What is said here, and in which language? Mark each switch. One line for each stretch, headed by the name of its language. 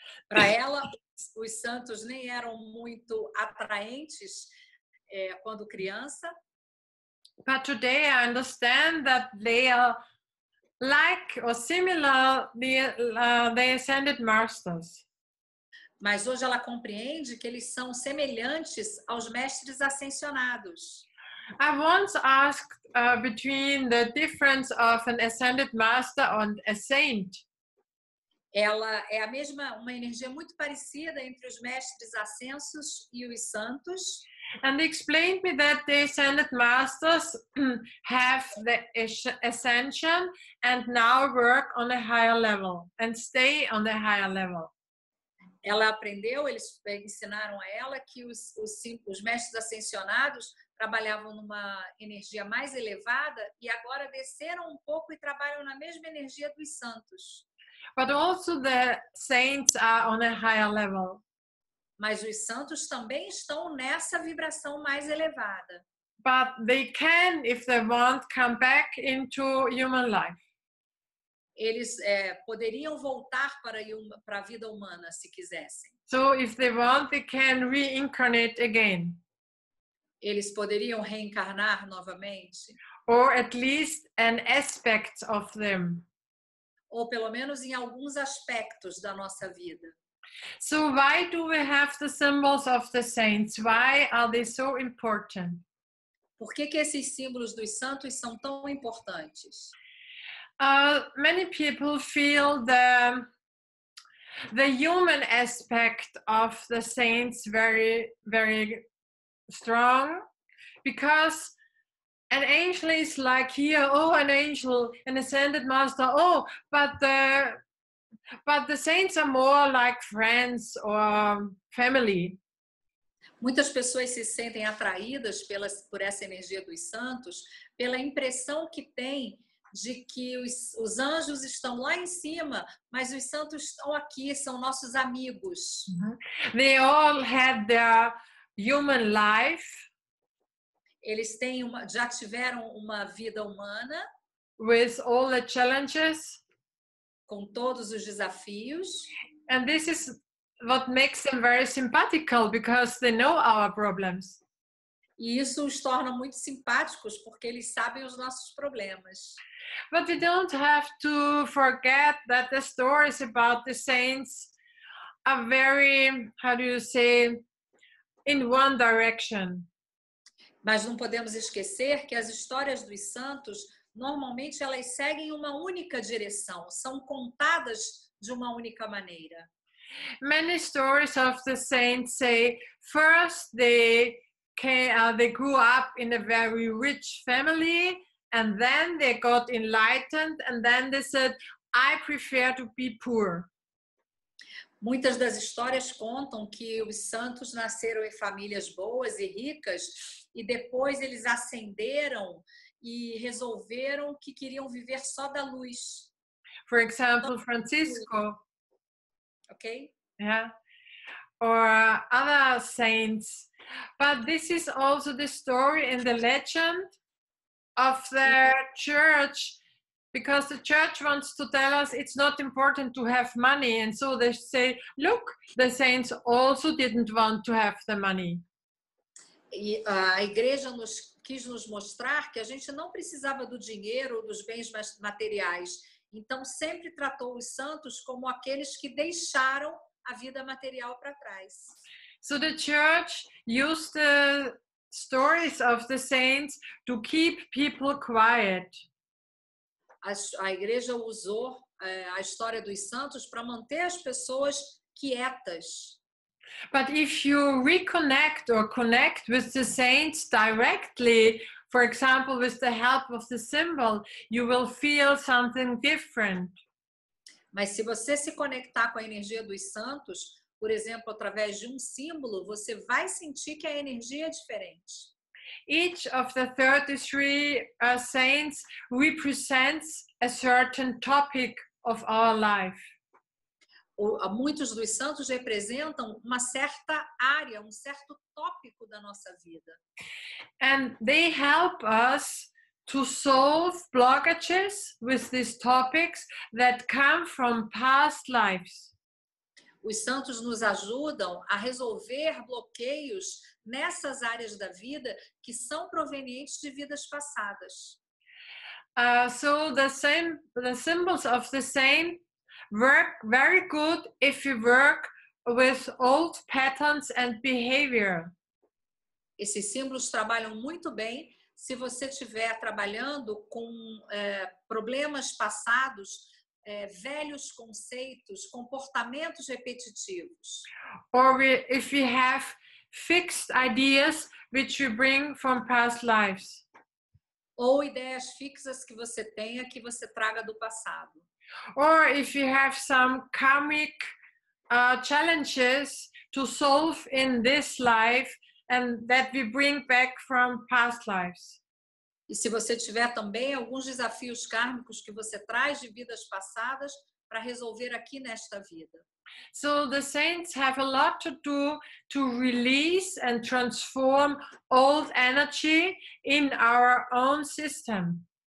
Portuguese: Para ela, os santos nem eram muito atraentes quando criança.
English: But today I understand that they are like or similar the ascended masters.
Portuguese: Mas hoje ela compreende que eles são semelhantes aos mestres ascensionados.
English: I once asked between the difference of an ascended master and a saint.
Portuguese: Ela é a mesma, uma energia muito parecida entre os mestres ascensos e os santos.
English: And they explained me that the ascended masters have the ascension and now work on a higher level and stay on the higher level.
Portuguese: Ela aprendeu, eles ensinaram a ela que os mestres ascensionados trabalhavam numa energia mais elevada e agora desceram um pouco e trabalham na mesma energia dos santos.
English: But also the saints are on a higher level.
Portuguese: Mas os santos também estão nessa vibração mais elevada.
English: But they can, if they want, come back into human life.
Portuguese: Eles poderiam voltar para a vida humana se quisessem.
English: So if they want, they can reincarnate again.
Portuguese: Eles poderiam reencarnar novamente.
English: Or at least an aspect of them.
Portuguese: Ou pelo menos em alguns aspectos da nossa vida.
English: So why do we have the symbols of the saints? Why are they so important?
Portuguese: Por que que esses símbolos dos santos são tão importantes?
English: Many people feel the human aspect of the saints very, very strong, because an angel is like here, oh, an angel, an ascended master, oh, but the saints are more like friends or family.
Portuguese: Muitas pessoas se sentem atraídas por essa energia dos santos, pela impressão que têm de que os anjos estão lá em cima, mas os santos estão aqui, são nossos amigos.
English: Uh-huh. They all had their human life.
Portuguese: Eles têm já tiveram uma vida humana.
English: With all the challenges.
Portuguese: Com todos os desafios.
English: And this is what makes them very sympathetic because they know our problems.
Portuguese: E isso os torna muito simpáticos porque eles sabem os nossos problemas.
English: But we don't have to forget that the stories about the saints a very, how do you say, in one direction.
Portuguese: Mas não podemos esquecer que as histórias dos santos, normalmente elas seguem uma única direção, são contadas de uma única maneira.
English: Many stories of the saints say, first they grew up in a very rich family, and then they got enlightened, and then they said, I prefer to be poor.
Portuguese: Muitas das histórias contam que os santos nasceram em famílias boas e ricas, e depois eles ascenderam e resolveram que queriam viver só da luz.
English: For example, Francisco. Okay. Yeah. Or other saints. But this is also the story in the legend of the church. Because the church wants to tell us it's not important to have money. And so they say, look, the saints also didn't want to have the money.
Portuguese: E a igreja nos quis nos mostrar que a gente não precisava do dinheiro, dos bens materiais. Então, sempre tratou os santos como aqueles que deixaram a vida material para trás.
English: So the church used the stories of the saints to keep people quiet.
Portuguese: A igreja usou a história dos santos para manter as pessoas quietas.
English: But if you reconnect or connect with the saints directly, for example, with the help of the symbol, you will feel something different.
Portuguese: Mas se você se conectar com a energia dos santos, por exemplo, através de um símbolo, você vai sentir que a energia é diferente.
English: Each of the 33 saints represents a certain topic of our life.
Portuguese: Muitos dos santos representam uma certa área, um certo tópico da nossa vida.
English: And they help us to solve blockages with these topics that come from past lives.
Portuguese: Os santos nos ajudam a resolver bloqueios nessas áreas da vida que são provenientes de vidas passadas.
English: So the symbols of the same work very good if you work with old patterns and behavior.
Portuguese: Esses símbolos trabalham muito bem se você estiver trabalhando com problemas passados, velhos conceitos, comportamentos repetitivos.
English: Or if we have fixed ideas which we bring from past lives.
Portuguese: Ou ideias fixas que você tenha, que você traga do passado.
English: Or if you have some karmic challenges to solve in this life and that we bring back from past lives.
Portuguese: E se você tiver também alguns desafios kármicos que você traz de vidas passadas para resolver aqui nesta vida.
English: So the saints have a lot to do to release and transform old energy in our own system.